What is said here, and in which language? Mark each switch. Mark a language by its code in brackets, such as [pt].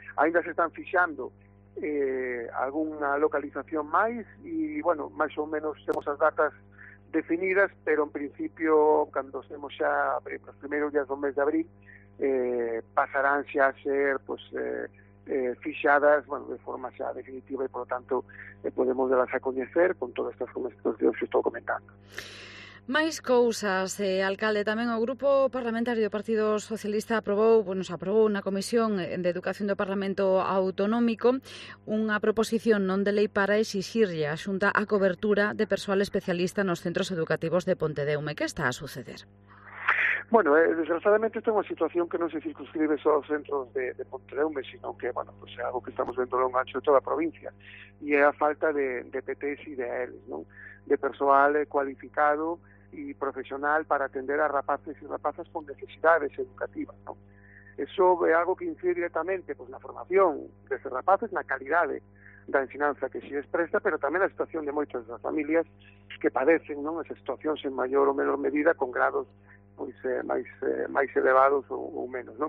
[es] Ainda se están fixando alguna localización máis y, bueno, más o menos tenemos las datas definidas, pero en principio, cuando estemos ya los primeros días del mes de abril, pasarán xa a ser, pues, fixadas, bueno, de forma xa definitiva, [gl] e, polo tanto, podemos delas a coñecer con todas estas cosas que os estou comentando. Máis cousas, alcalde. Tamén o Grupo Parlamentario do Partido Socialista aprobou unha comisión de Educación do Parlamento Autonómico unha proposición non de lei para exixirlle a Xunta a cobertura de persoal especialista nos centros educativos de Pontedeume. Que está a suceder? Bueno, desgraciadamente, esta é unha situación que non se circunscribe só aos centros de Pontedeume, sino que, bueno, pues é algo que estamos vendo longo ancho de toda a provincia, e é a falta de PTs e de ALs, ¿no? De persoal cualificado e profesional para atender a rapaces e rapazas con necesidades educativas, ¿no? Eso é algo que incide directamente, pues, na formación deses rapaces, na calidade da ensinanza que se expresa, pero tamén a situación de moitas das familias que padecen, ¿no?, esas situacións en maior ou menor medida, con grados pois máis elevados ou menos, non?